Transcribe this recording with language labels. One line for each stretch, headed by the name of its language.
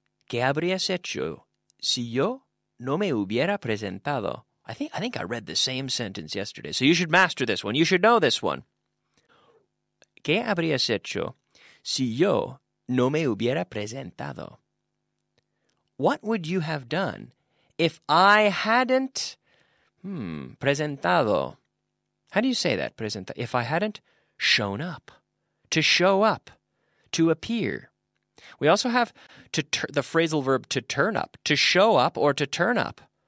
Spanish: ¿Qué habrías hecho si yo no me hubiera presentado?
English: I think I read the same sentence yesterday, so you should master this one. You should know this one.
Spanish: ¿Qué habrías hecho si yo no me hubiera presentado?
English: What would you have done if I hadn't presentado? How do you say that? If I hadn't shown up, to show up, to appear. We also have the phrasal verb to turn up, to show up or to turn up.